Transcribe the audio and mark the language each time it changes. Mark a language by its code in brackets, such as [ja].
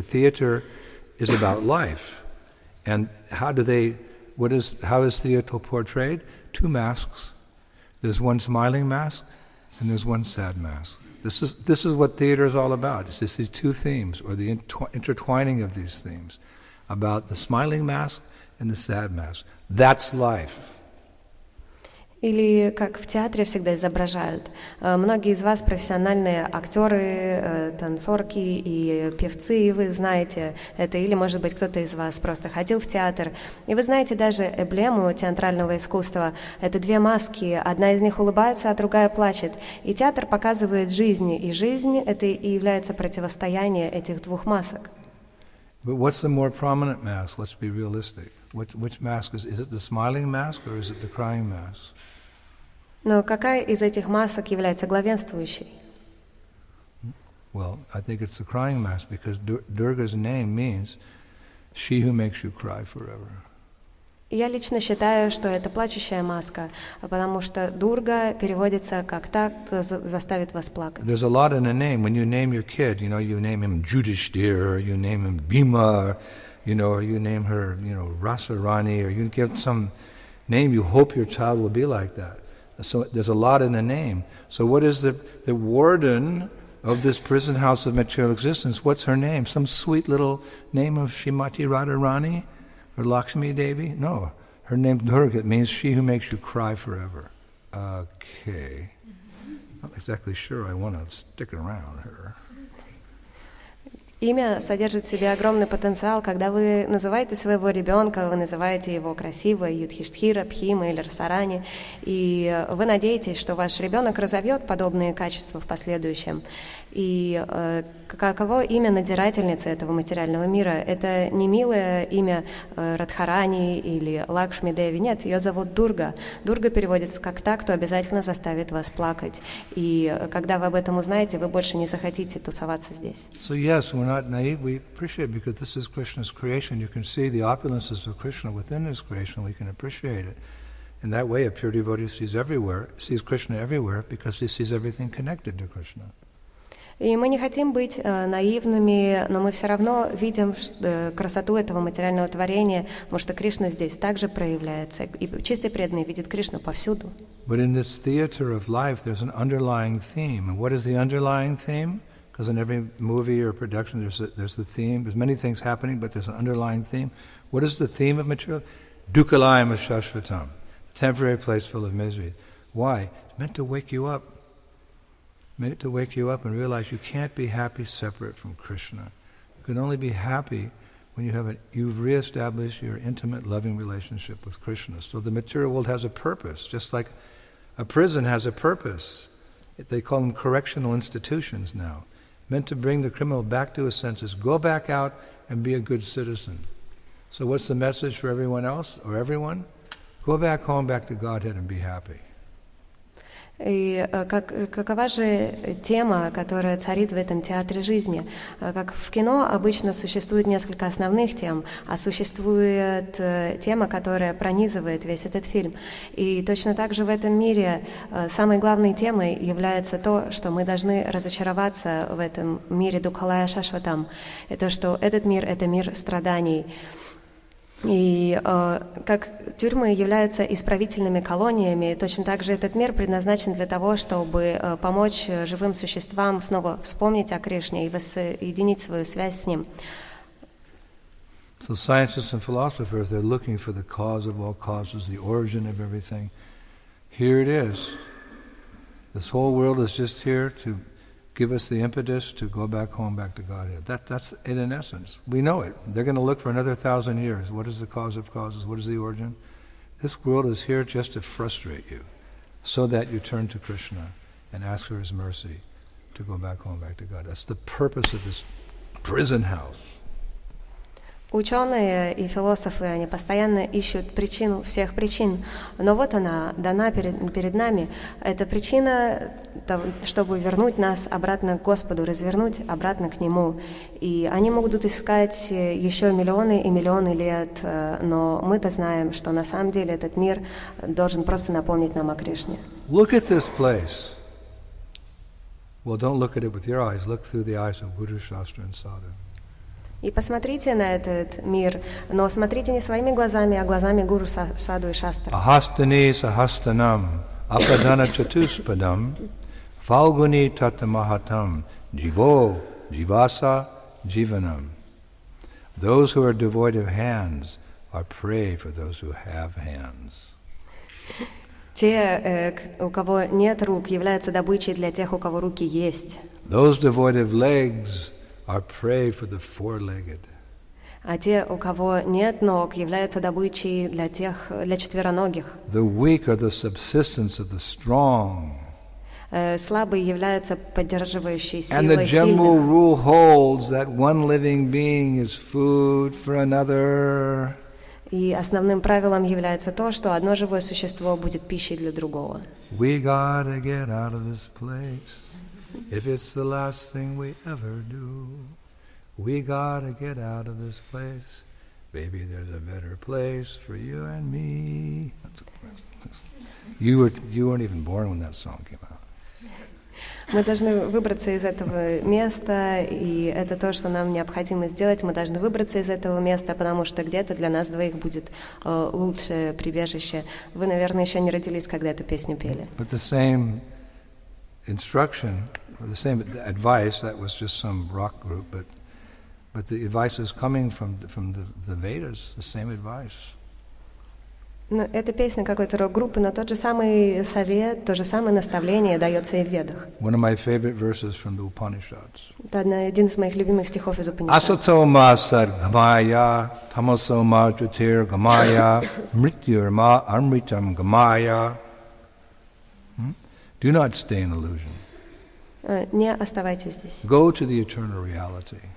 [en] Theater is about life. And how is theater portrayed? Two masks. There's one smiling mask and there's one sad mask. This is what theater is all about. It's just these two themes, or the intertwining of these themes, about the smiling mask and the sad mask. That's life. [ru] Или как в театре всегда изображают. Многие из вас профессиональные актеры, танцорки и певцы, и вы знаете это. Или, может быть, кто-то из вас просто ходил в театр. И вы знаете даже эмблему театрального искусства. Это две маски. Одна из них улыбается, а другая плачет. И театр показывает жизнь. И жизнь — это и является противостояние этих двух масок. [en] But what's the more prominent mask? Let's be realistic. Which mask is it the smiling mask or is it the crying mask? [ru] Но какая из этих масок является главенствующей? [en] Well, I think it's the crying mask because Durga's name means she who makes you cry forever. [ru] Я лично считаю, что это плачущая маска, потому что Дурга переводится как та, кто заставит вас плакать. [en] There's a lot in a name. When you name your kid, you know, you name him Yudhishthira, you name him Bhima, you know, or you name her, you know, Rasarani, or you give some name you hope your child will be like that. So there's a lot in a name. So what is the warden of this prison house of material existence? What's her name? Some sweet little name of Srimati Radharani or Lakshmi Devi? No, her name Durga means she who makes you cry forever. Okay. Not exactly sure I want to stick around her. [ru] Имя содержит в себе огромный потенциал. Когда вы называете своего ребенка, вы называете его красиво, Юдхиштхира, Пхима или Расарани, и вы надеетесь, что ваш ребенок разовьет подобные качества в последующем. И каково имя надзирательницы этого материального мира? Это не милое имя Радхарани или Лакшми Деви. Нет, ее зовут Дурга. Дурга переводится как та, кто обязательно заставит вас плакать. И когда вы об этом узнаете, вы больше не захотите тусоваться здесь. [en] So yes, we're not naive. We appreciate because this is Krishna's creation. You can see the opulences of Krishna within his creation. We can appreciate it. In that way, a pure devotee sees Krishna everywhere because he sees everything connected to Krishna. [ru] И мы не хотим быть наивными, но мы все равно видим красоту этого материального творения, потому что Кришна здесь также проявляется, и чистый преданный видит Кришну повсюду. [en] But in this theater of life, there's an underlying theme. And what is the underlying theme? Because in every movie or production, there's the theme. There's many things happening, but there's an underlying theme. What is the theme of material? [sa] Dukkhalayam Ashashvatam, [en] temporary place full of misery. Why? It's meant to wake you up. Meant to wake you up and realize you can't be happy separate from Krishna. You can only be happy when you've reestablished your intimate, loving relationship with Krishna. So the material world has a purpose, just like a prison has a purpose. They call them correctional institutions now. Meant to bring the criminal back to his senses, go back out and be a good citizen. So what's the message for everyone else, or everyone? Go back home, back to Godhead and be happy. [ru] И какова же тема, которая царит в этом театре жизни? Как в кино обычно существует несколько основных тем, а существует тема, которая пронизывает весь этот фильм. И точно так же в этом мире самой главной темой является то, что мы должны разочароваться в этом мире [sa] Дукхалая Шашватам. [ru] Это что этот мир — это мир страданий. И как тюрьмы являются исправительными колониями, точно так же этот мир предназначен для того, чтобы помочь живым существам снова вспомнить о Кришне и воссоединить свою связь с Ним. [en] So scientists and philosophers, they're looking for the cause of all causes, the origin of everything. Here it is. This whole world is just here to give us the impetus to go back home, back to Godhead. That's it in essence. We know it. They're going to look for another 1,000 years. What is the cause of causes? What is the origin? This world is here just to frustrate you, so that you turn to Krishna and ask for his mercy to go back home, back to God. That's the purpose of this prison house. [ru] Ученые и философы, они постоянно ищут причину всех причин. Но вот она дана перед нами. Это причина, чтобы вернуть нас обратно к Господу, развернуть обратно к Нему. И они могут искать еще миллионы и миллионы лет, но мы-то знаем, что на самом деле этот мир должен просто напомнить нам о Кришне. [en] Look at this place. Well, don't look at it with your eyes. Look through the eyes of Guru, Shastra and Sadhu. [ru] И посмотрите на этот мир, но смотрите не своими глазами, а глазами Гуру, Саду и Шастры. [sa] Ахастани сахастанам ападана чатуспадам фалгуни таттамахатам дживо дживаса дживанам. [en] Those who are devoid of hands are prey for those who have hands. [ru] Те, у кого нет рук, являются добычей для тех, у кого руки есть. [en] Those devoid of legs are prey for the four-legged. [ru] А те, у кого нет ног, являются добычей для тех, для четвероногих. [en] The weak are the subsistence of the strong. [ru] Слабые являются поддерживающей силой сильных. [en] And the general rule holds that one living being is food for another. [ru] И основным правилом является то, что одно живое существо будет пищей для другого. [en] We gotta get out of this place. If it's the last thing we ever do, we gotta get out of this place. Maybe there's a better place for you and me. You weren't even born when that song came out. [ru] Мы должны выбраться из этого места, и это то, что нам необходимо сделать. Мы должны выбраться из этого места, потому что где-то для нас двоих будет лучшее прибежище. Вы, наверное, еще не родились, когда эту песню пели. [en] But the same instruction. The same advice, that was just some rock group, but the advice is coming from the Vedas, the same advice. [ru] Но эта песня какой-то рок-группы, но тот же самый совет, то же самое наставление дается и в Ведах. [en] One of my favorite verses from the Upanishads. [ru] Это один из моих любимых стихов из Упанишад. [sa] Асатома саргамая, тамасома джутир гамая, мритюрма амритам гамая. [en] Do not stay in illusion. [ru] Не оставайтесь здесь. [en] Go to the eternal reality.